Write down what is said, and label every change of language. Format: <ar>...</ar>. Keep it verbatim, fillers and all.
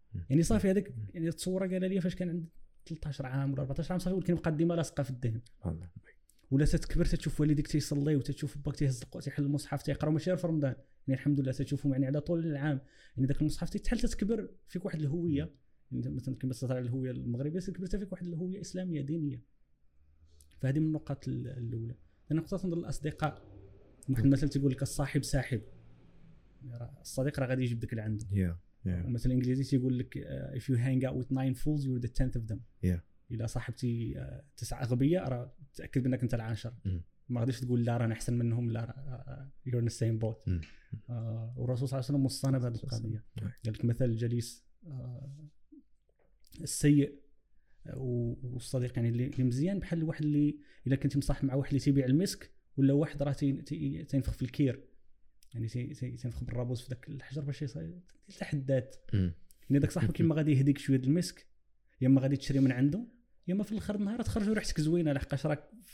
<ar>يعني صافي هذاك يعني التصوره قال لي فاش كان عندي ثلاثة عشر عام ولا أربعة عشر عام صافي ولكن بقى ديما لاصقه في الذهن ولا تتكبر تشوف والديك تيصلي وتشوف باك تيهزق وتيحل المصحف تيقرا ماشي في رمضان يعني الحمد لله تشوفهم يعني على طول العام يعني داك المصحف تيتحل تتكبر فيك واحد الهويه يعني مثلا كما تهضر على الهويه المغربيه تكبرت فيك واحد الهويه اسلاميه دينيه. فهذه من النقط الاولى. النقطه الثانيه الاصدقاء واحد مثلا تيقول لك الصاحب ساحب الصديق راه غادي يجيب داك لعندك</ar> <en>yeah, yeah.</en> <ar>مثلا الانجليزي تيقول لك</ar> <en>uh, if you hang out with nine fools you're the tenth of them yeah.</en> <ar>إلا صاحبتي تسعة أغبية راه تأكد بأنك أنت العاشر ما غاديش تقول لا راه أحسن منهم لا</ar> <en>you're in the same boat.</en> <ar>آه والرسول صلى الله عليه وسلم وصانا بهذه القضية قال لك مثل الجليس آه السيء والصديق يعني اللي مزيان بحال واحد اللي إلا كنت مصاحب مع واحد اللي تبيع المسك ولا واحد راه تنفخ في الكير يعني تنفخ بالرابوز في ذاك الحجر باش يصير تحدات يعني ذاك صاحبك ما غادي يهديك شوية المسك يا اما غادي تشري من عنده يا اما في الاخر النهار تخرجوا ريحتك زوينه لحقاش راك</ar>